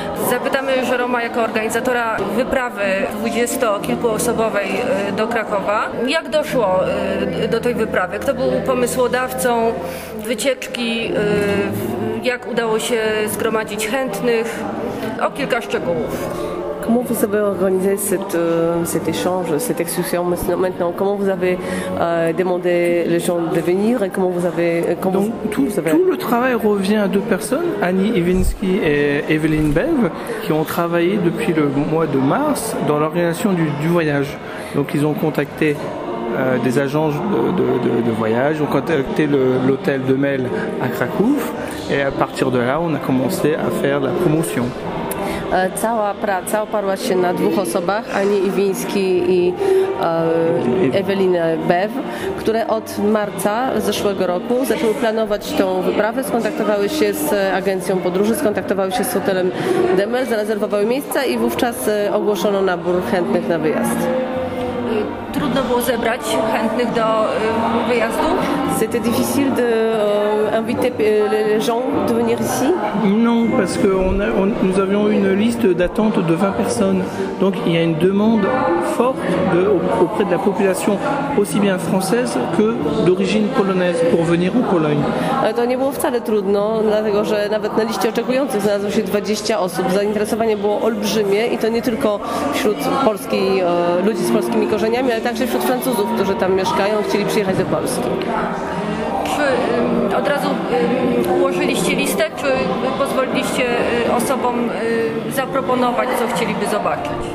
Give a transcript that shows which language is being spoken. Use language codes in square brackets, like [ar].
[pl] Zapytamy Jérôma jako organizatora wyprawy 20-kilkuosobowej do Krakowa. Jak doszło do tej wyprawy? Kto był pomysłodawcą wycieczki? Jak udało się zgromadzić chętnych? O kilka szczegółów. [fr] Comment vous avez organisé cet échange, cette excursion maintenant? Comment vous avez demandé les gens de venir et comment vous avez... Tout le travail revient à deux personnes, Annie Iwinski et Evelyn Bev, qui ont travaillé depuis le mois de mars dans l'organisation du voyage. Donc ils ont contacté des agences de voyage, ont contacté l'hôtel de Mel à Cracow. Et à partir de là, on a commencé à faire la promotion. [pl] Cała praca oparła się na dwóch osobach, Ani Iwiński i Eweliny Bew, które od marca zeszłego roku zaczęły planować tą wyprawę, skontaktowały się z agencją podróży, skontaktowały się z hotelem Demel, zarezerwowały miejsca i wówczas ogłoszono nabór chętnych na wyjazd. Trudno było zebrać chętnych do wyjazdu? [fr] C'était difficile de inviter les gens de venir ici? Non, parce que nous avions une liste d'attente de 20 personnes. Donc il y a une demande forte auprès de la population aussi bien française que d'origine polonaise pour venir en Pologne. [pl] Ale to nie było wcale trudno, dlatego że nawet na liście oczekujących znalazło się 20 osób. Zainteresowanie było olbrzymie i to nie tylko wśród ludzi z polskimi korzeniami, ale także wśród Francuzów, którzy tam mieszkają, chcieli przyjechać do Polski. Od razu ułożyliście listę, czy pozwoliliście osobom zaproponować, co chcieliby zobaczyć?